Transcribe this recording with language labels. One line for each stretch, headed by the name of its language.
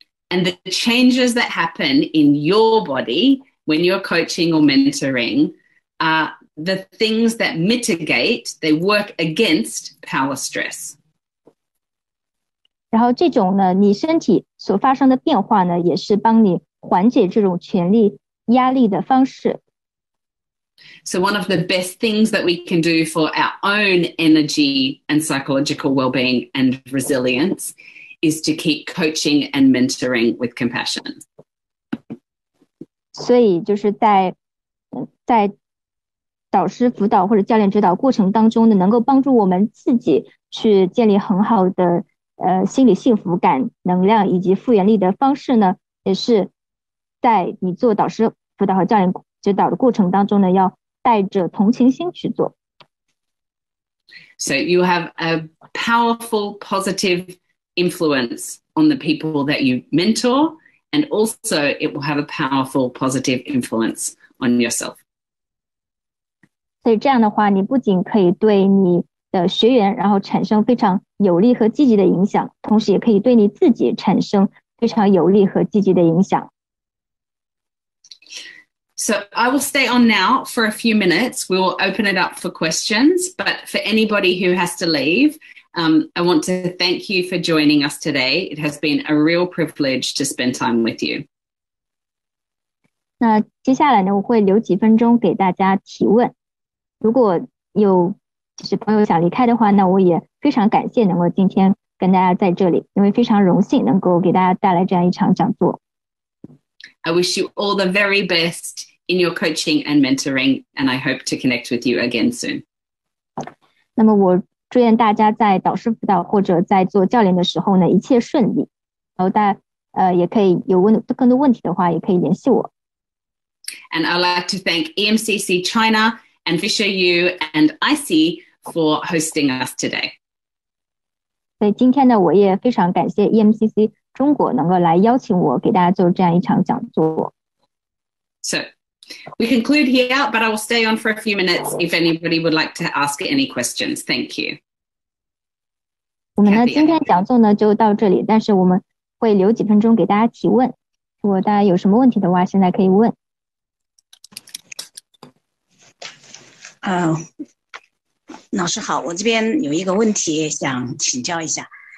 English: And the changes that happen in your body when you're coaching or mentoring are the things that mitigate, they work against power stress.
Chinese: 然后这种呢，你身体所发生的变化呢，也是帮你缓解这种权力压力的方式。
English: So one of the best things that we can do for our own energy and psychological well-being and resilience is to keep coaching and mentoring with compassion.
Chinese: 所以就是在导师辅导或者教练指导过程当中呢，能够帮助我们自己去建立很好的心理幸福感、能量以及复原力的方式呢，也是在你做导师辅导和教练指导的过程当中呢，要带着同情心去做。
English: So you have a powerful positive influence on the people that you mentor, and also it will have a powerful positive influence on yourself.
Chinese: 所以这样的话，你不仅可以对你的学员，然后产生非常有利和积极的影响，同时也可以对你自己产生非常有利和积极的影响。
English: So I will stay on now for a few minutes. We will open it up for questions, but for anybody who has to leave, I want to thank you for joining us today. It has been a real privilege to spend time with you.
Chinese: 那接下来呢，我会留几分钟给大家提问。如果有就是朋友想离开的话，那我也非常感谢能够今天跟大家在这里，因为非常荣幸能够给大家带来这样一场讲座。
English: I wish you all the very best in your coaching and mentoring, and I hope to connect with you again soon.
Chinese: 那么我祝愿大家在导师辅导或者在做教练的时候呢，一切顺利。然后大家也可以有更多问题的话，也可以联系我。
English: And I'd like to thank EMCC China and Fisher Yu and IC for hosting us today.
Chinese: 所以今天呢，我也非常感谢 EMCC 中国能够来邀请我给大家做这样一场讲座。
English: So We conclude here, but I will stay on for a few minutes if anybody would like to ask any questions. Thank you.
Chinese: 我们呢今天讲座呢就到这里，但是我们会留几分钟给大家提问，如果大家有什么问题的话现在可以问。老师好，我这边有一个问题想请教一下。